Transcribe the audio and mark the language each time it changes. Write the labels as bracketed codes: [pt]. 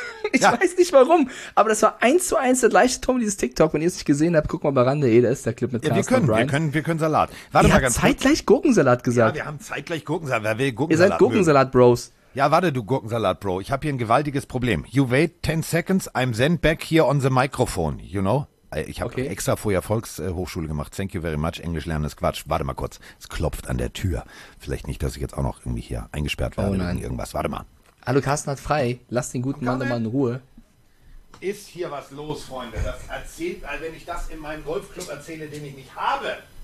[de] Ich weiß nicht warum, aber das war 1:1 der gleiche Ton dieses TikTok. Wenn ihr es nicht gesehen habt, guck mal bei Rande, da ist der Clip mit Carsten. Ja, wir können Salat. Warte mal ganz kurz. Zeitgleich Gurkensalat gesagt. Ja, wir haben zeitgleich Gurkensalat. Wer will Gurkensalat? Ihr seid Gurkensalat-Bros. Ja, warte, du Gurkensalat-Bro. Ich habe hier ein gewaltiges Problem. [en] You wait 10 seconds, I'm then back here on the microphone, you know? [de] Ich habe extra vorher Volkshochschule gemacht. [en] Thank you very much. [de] Englisch lernen ist Quatsch. Warte mal kurz. Es klopft an der Tür. Vielleicht nicht, dass ich jetzt auch noch irgendwie hier eingesperrt werde wegen irgendwas. Warte mal. Hallo, Carsten hat frei. Lass den guten Mann nochmal in Ruhe. Ist hier was los, Freunde? Das erzählt, also wenn ich das in meinem Golfclub erzähle, den ich nicht habe.